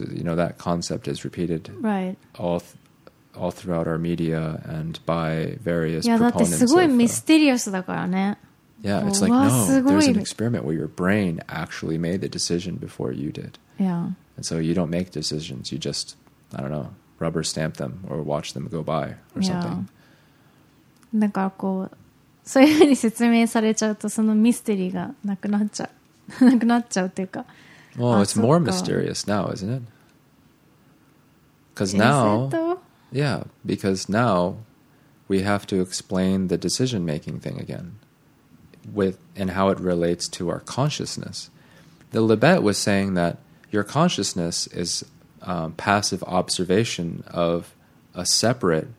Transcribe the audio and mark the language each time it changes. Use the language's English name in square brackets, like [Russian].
[English] You know, that concept is repeated all throughout our media and by various Yeah, it's like, no, there's an experiment where your brain actually made the decision before you did. Yeah. And so you don't make decisions, you just, I don't know, rubber stamp them or watch them go by or something. [Japanese] なんかこうそういうふうに説明されちゃうとそのミステリーがなくなっちゃうなくなっちゃうっていうか [English] Well, it's more mysterious now, isn't it? Because now Yeah, because now we have to explain the decision making thing again with and how it relates to our consciousness. The Libet was saying that your consciousness is passive observation of a separate